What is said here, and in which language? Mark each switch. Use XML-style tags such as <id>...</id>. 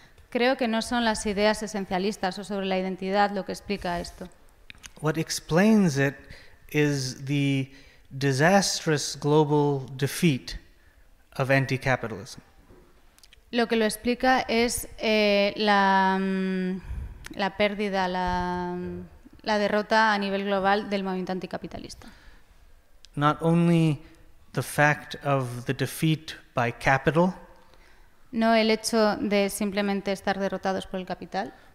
<es>Creo que no son las ideas esencialistas o sobre la identidad lo que explica esto.</es> <en>What explains it is the disastrous global defeat of anti-capitalism.</en> <es>Lo que lo explica es la pérdida, la derrota a nivel global del movimiento anticapitalista.</es> <en>Not only the fact of the defeat by capital,</en> <es>no el hecho de simplemente estar derrotados por el capital,</es>